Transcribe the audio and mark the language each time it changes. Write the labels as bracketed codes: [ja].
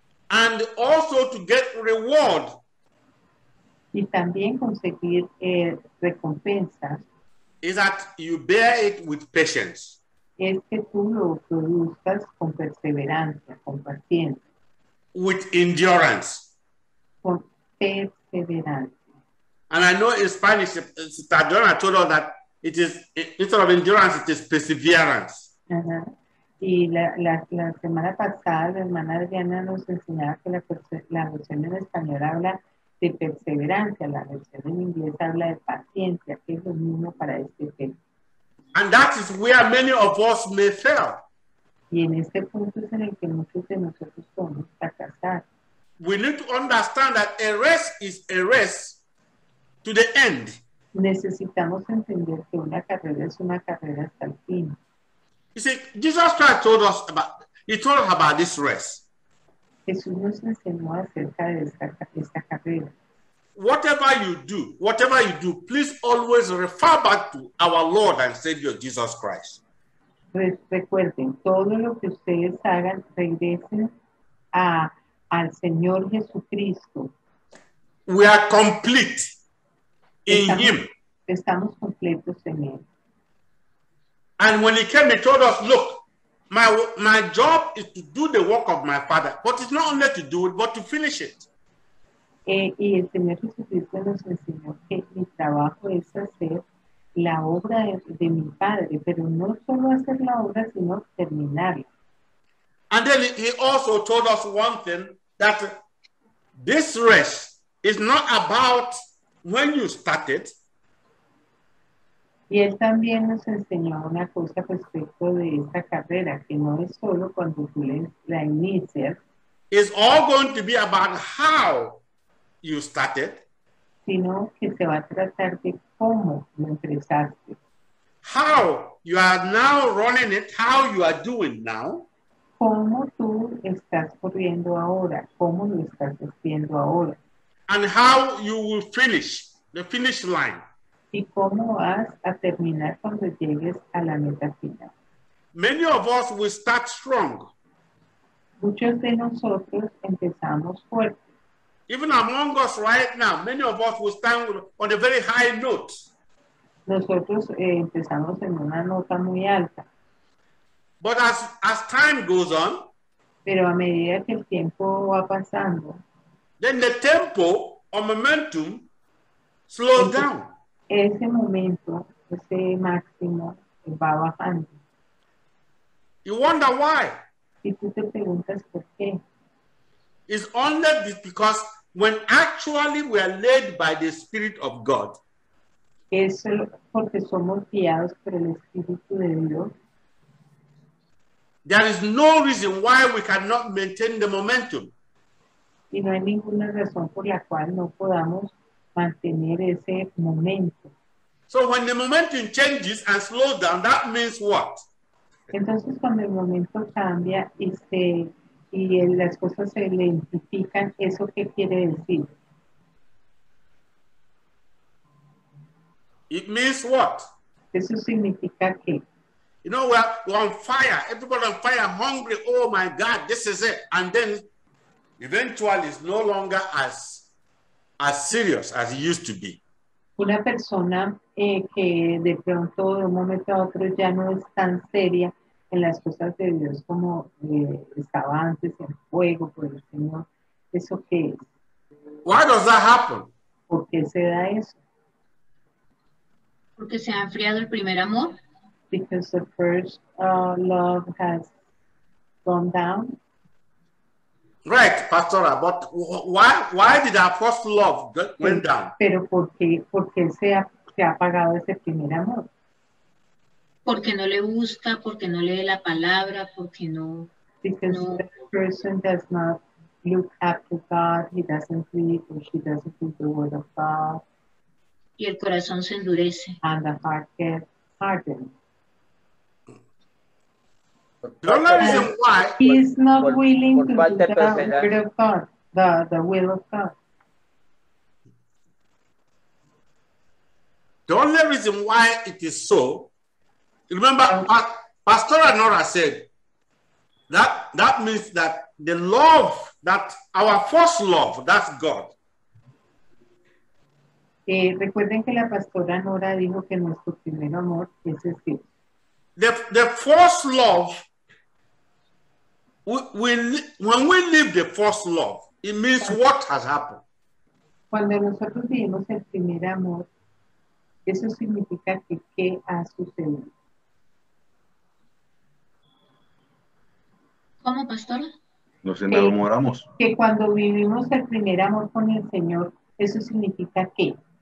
[en] and also to get reward, [es] y también conseguir recompensa, [en] is that you bear it with patience. [es] Es que tú lo produzcas con perseverancia, con paciencia. [en] With endurance. [es] Con perseverancia. [en] And I know in Spanish, Stadona told us that it is, instead of endurance, it is perseverance. [es] Uh-huh. Y la semana pasada, la hermana Adriana nos enseñaba que la versión en español habla de perseverancia, la versión en inglés habla de paciencia, que es lo mismo para este tema. [en] And that is where many of us may fail. [es] Y en este punto es en el que muchos de nosotros podemos fracasar. [en] We need to understand that a race is a race to the end. [es] Necesitamos entender que una carrera es una carrera hasta el fin. [en] You see, Jesus Christ told us about this race. [es] Jesús nos enseñó acerca de esta carrera. [en] Whatever you do, please always refer back to our Lord and Savior Jesus Christ. [es] Recuerden, todo lo que ustedes hagan, regresen al Señor Jesucristo. [en] We are complete in Him. [es] Estamos completos en Él. [en] And when He came, He told us, look, my job is to do the work of my Father. But it's not only to do it, but to finish it. [es] Y el Señor Jesucristo nos enseñó que mi trabajo es hacer la obra de mi Padre, pero no solo hacer la obra, sino terminarla. [en] And then he also told us one thing, that this race is not about when you started. [es] Y él también nos enseñó una cosa respecto de esta carrera, que no es solo cuando tú la inicias. [en] It's all going to be about how you started, [es] sino que se va a tratar de cómo lo empezaste. [en] How you are now running it, how you are doing now. [es] Cómo tú estás corriendo ahora? ¿Cómo lo estás haciendo ahora? [en] And how you will finish, the finish line. [es] ¿Y cómo vas a terminar cuando llegues a la meta final? [en] Many of us will start strong. [es] Muchos de nosotros empezamos fuerte. [en] Even among us right now, many of us will stand on a very high note. [es] Nosotros empezamos en una nota muy alta. [en] But as time goes on, [es] pero a medida que el tiempo va pasando, [en] then the tempo or momentum slows down. [es] Ese momento, ese máximo, va bajando. [en] You wonder why. [es] Y tú te preguntas por qué. [en] It's only because when actually we are led by the Spirit of God. [es] Es porque somos guiados por el Espíritu de Dios. [en] There is no reason why we cannot maintain the momentum. [es] Y no hay ninguna razón por la cual no podamos mantener ese momento. [en] So when the momentum changes and slows down, that means what? [es] Entonces cuando el momento cambia y se y las cosas se lentifican, ¿eso qué quiere decir? [en] It means what? [es] Eso significa que. [en] You know, we're on fire. Everybody on fire, hungry. Oh my God, this is it. And then eventually it's no longer as serious as it used to be. [es] Una persona que de pronto, de un momento a otro, ya no es tan seria en las cosas de Dios como estaba antes en fuego por el Señor. ¿Eso qué es? [en] Why does that happen? [es] ¿Por qué se da eso? ¿Porque se ha enfriado el primer amor? [en] Because the first love has gone down. Right, Pastora, but why did our first love went down? [es] Pero por qué se ha apagado ese primer amor? Porque no le gusta, porque no lee la palabra, porque no. [en] Because no. The person does not look after God, he doesn't read or she doesn't read the word of God. [es] Y el corazón se endurece. [en] And the heart gets hardened. Why, he's not willing to do the will of God. The will of God. The only reason why it is so, remember, Pastora Nora said that means that the love, that our first love, that's God. [es] Recuerden que la Pastora Nora dijo que nuestro primer amor es el Dios. [en] The first love. When we leave the first love, it means what has happened. [es] Cuando nosotros vivimos el primer amor, eso significa que qué ha sucedido. ¿Cómo, Pastora? Nos enamoramos. Que cuando vivimos el primer amor con el Señor, eso significa qué.